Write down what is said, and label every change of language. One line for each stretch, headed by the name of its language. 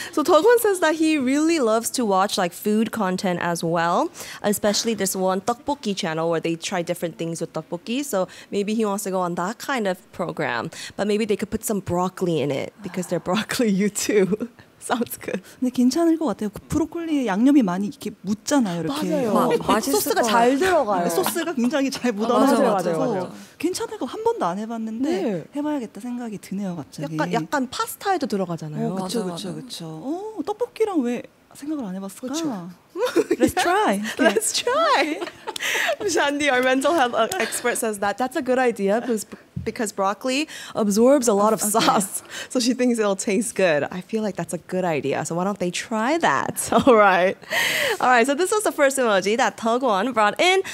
English: So Taegwon says that he really loves to watch like food content as well, especially this one tteokbokki channel where they try different things with tteokbokki. So maybe he wants to go on that kind of program, but maybe they could put some broccoli in it because they're broccoli you too. Sounds good.
Korean: 근데 괜찮을 것 같아요. 그 브로콜리 양념이 많이 이렇게 묻잖아요. 이렇게. 맞아요. 소스가 잘 들어가요. 소스가 굉장히 잘 묻어나서. 맞아요. 괜찮을 거 한 번도 안 해봤는데 네. 해봐야겠다 생각이 드네요. 갑자기. 약간 파스타에도 들어가잖아요. 그렇죠. 떡볶이랑 왜 생각을 안 해봤을까? 그쵸.
English: Let's try. Let's try. Shandy, our mental health expert, says that that's a good idea. Because broccoli absorbs a lot of sauce, so she thinks it'll taste good. I feel like that's a good idea, so why don't they try that? All right, so this was the first emoji that Taegwon brought in.